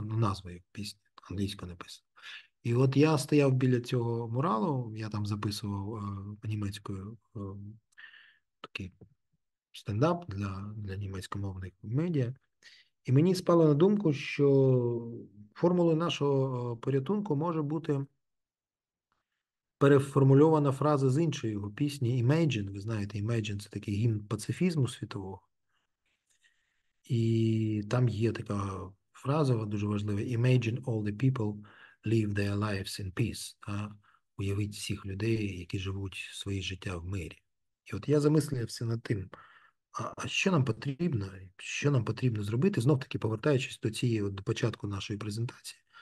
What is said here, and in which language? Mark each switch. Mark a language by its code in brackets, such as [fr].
[uk] Ну, назва його пісні, англійською написано. І от я стояв біля цього муралу, я там записував німецькою такий стендап для німецькомовних медіа. І мені спало на думку, що формулою нашого порятунку може бути переформульована фраза з іншої його пісні «Imagine». Ви знаєте, «Imagine» – це такий гімн пацифізму світового. І там є така фраза дуже важлива [en] «Imagine all the people live their lives in peace». [uk] Та? Уявіть всіх людей, які живуть свої життя в мирі. І от я замислився над тим, а що нам потрібно? Що нам потрібно зробити? Знов-таки, повертаючись до початку нашої презентації,